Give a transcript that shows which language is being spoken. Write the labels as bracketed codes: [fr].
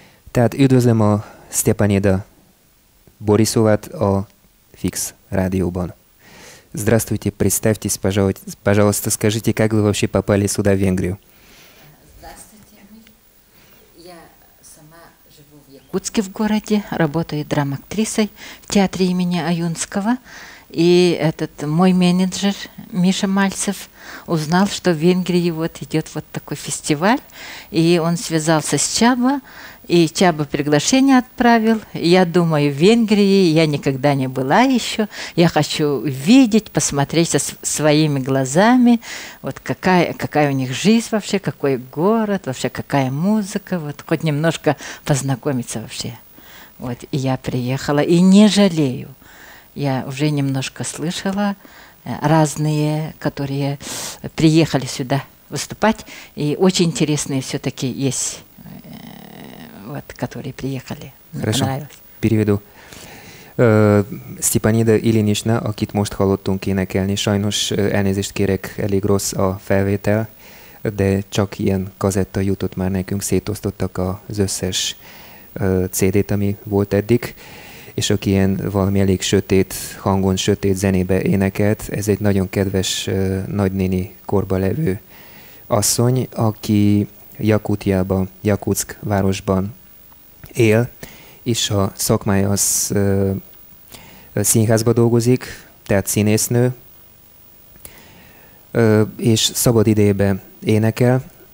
[hu] Tehát üdvözlöm a Stepanida Borisovát a Fix Rádióban. [ru] Здравствуйте, представьтесь, пожалуйста, скажите, как вы вообще попали сюда, в Венгрию? Здравствуйте, я сама живу в Якутске, в городе, работаю драм-актрисой в театре имени Аюнского. И этот мой менеджер Миша Мальцев узнал, что в Венгрии вот идет вот такой фестиваль, и он связался с Чаба, и Чаба приглашение отправил. Я думаю, в Венгрии я никогда не была еще. Я хочу увидеть, посмотреть со своими глазами, вот какая у них жизнь вообще, какой город, вообще какая музыка, вот хоть немножко познакомиться вообще. Вот, и я приехала, и не жалею. Я уже немножко слышала разные, которые приехали сюда выступать, и очень интересные все-таки есть, вот, которые приехали. Хорошо, переведу. [hu] Степанида Ильинична, akit most hallottunk énekelni, sajnos elnézést kérek, elég rossz a felvétel, de csak ilyen kazetta jutott már nekünk, szétosztottak az összes CD-t, ami volt eddig. És aki ilyen valami elég sötét hangon, sötét zenébe énekelt, ez egy nagyon kedves nagynéni korba levő asszony, aki Jakutiában, Jakutszk városban él, és a szakmája az színházba dolgozik, tehát színésznő, és szabad idejében énekel.